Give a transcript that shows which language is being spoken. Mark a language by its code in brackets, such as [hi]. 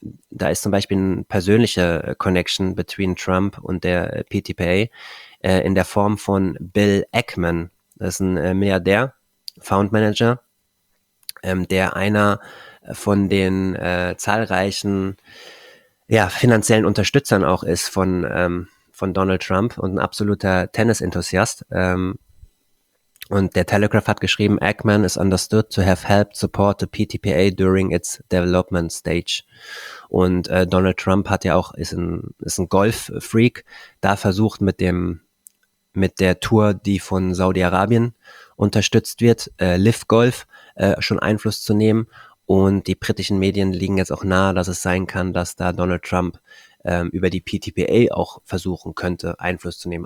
[de] Da ist zum Beispiel eine persönliche [en] Connection between [de] Trump und der PTPA in der Form von Bill Ackman. Das ist ein Milliardär, Fund Manager, der einer von den zahlreichen finanziellen Unterstützern auch ist von Donald Trump und ein absoluter Tennis-Enthusiast. Und der Telegraph hat geschrieben, [en] Ackman is understood to have helped support the PTPA during its development stage. [de] Und Donald Trump hat ja auch, ist ein Golf-Freak, da versucht mit der Tour, die von Saudi-Arabien unterstützt wird, LIV Golf, schon Einfluss zu nehmen. Und die britischen Medien liegen jetzt auch nahe, dass es sein kann, dass da Donald Trump über die PTPA auch versuchen könnte, Einfluss zu nehmen.